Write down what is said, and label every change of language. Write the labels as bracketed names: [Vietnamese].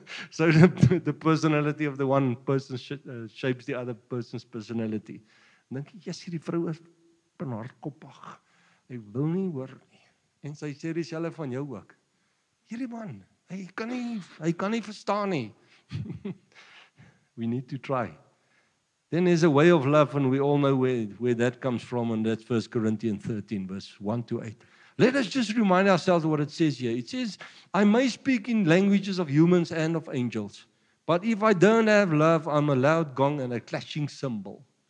[English] So the personality of the one person shapes the other person's personality. [Afrikaans] En dink jy yes, hierdie vrou is hardkoppig. Hy wil nie hoor nie. En sy sê dieselfde van jou ook. Hierdie man, hy kan nie verstaan nie. [English] We need to try. Then there's a way of love and we all know where that comes from and that's 1 Corinthians 13 verse 1 to 8. Let us just remind ourselves what it says here. It says, I may speak in languages of humans and of angels, but if I don't have love, I'm a loud gong and a clashing cymbal.